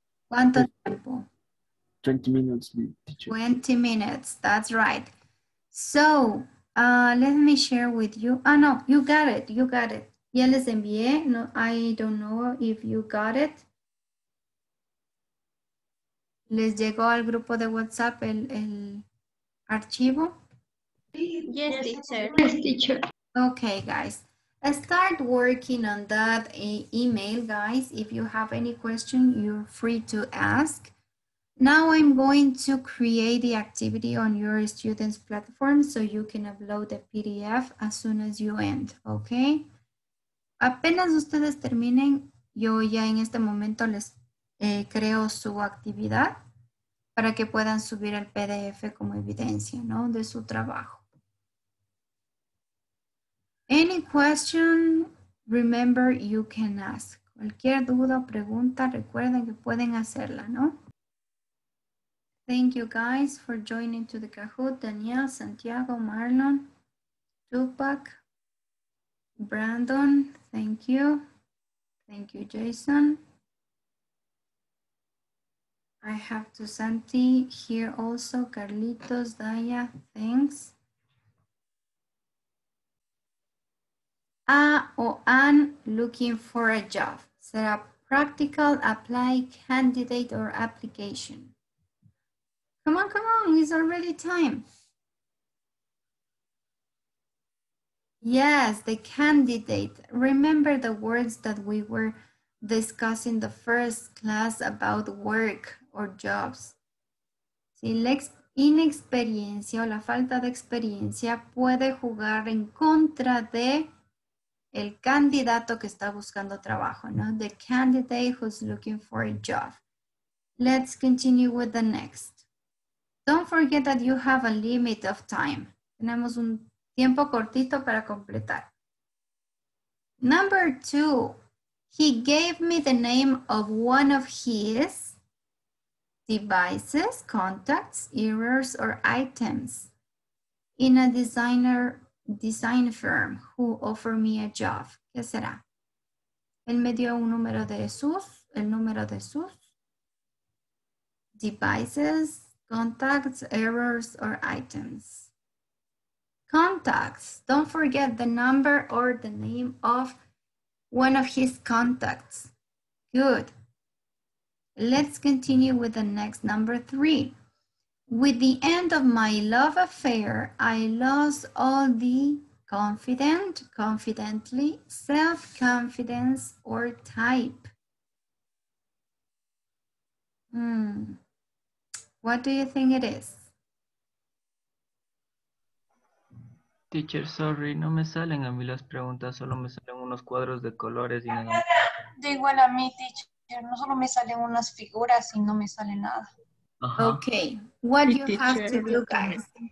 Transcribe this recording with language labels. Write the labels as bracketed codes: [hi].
[es] ¿Cuánto tiempo? [en] 20 minutes, teacher. 20 minutes, that's right. So, let me share with you. Oh, no, you got it, you got it. [es] Ya les envié. [en] No, I don't know if you got it. [es] ¿Les llegó al grupo de WhatsApp el archivo? [en] Yes, teacher. Yes, teacher. Okay, guys. Start working on that email, guys. If you have any question, you're free to ask. Now I'm going to create the activity on your students' platform so you can upload the PDF as soon as you end, okay? [es] Apenas ustedes terminen, yo ya en este momento les creo su actividad para que puedan subir el PDF como evidencia, ¿no? De su trabajo. [en] Any question, remember you can ask. [es] Cualquier duda o pregunta, recuerden que pueden hacerla, ¿no? [en] Thank you guys for joining to the Kahoot. Daniel, Santiago, Marlon, Tupac, Brandon, thank you. Thank you, Jason. I have to Santi here also, Carlitos, Daya, thanks. An looking for a job. Set up practical, apply, candidate or application. Come on, come on, it's already time. Yes, the candidate. Remember the words that we were discussing the first class about work or jobs. [es] Si la inexperiencia o la falta de experiencia puede jugar en contra de el candidato que está buscando trabajo, ¿no? [en] The candidate who's looking for a job. Let's continue with the next. Don't forget that you have a limit of time. [es] Tenemos un tiempo cortito para completar. [en] Number two, he gave me the name of one of his devices, contacts, errors, or items in a design firm who offered me a job. [es] ¿Qué será? Él me dio un número de sus, el número de sus devices. [en] Contacts, errors, or items. Contacts. Don't forget the number or the name of one of his contacts. Good. Let's continue with the next number three. With the end of my love affair, I lost all the confidently, self-confidence, or type. What do you think it is? Teacher, sorry, [es] no me salen a mí las preguntas, solo me salen unos cuadros de colores y nada. De igual a mí, teacher, no solo me salen unas figuras y no me sale nada. [en] Okay, what you teacher, have to do, guys.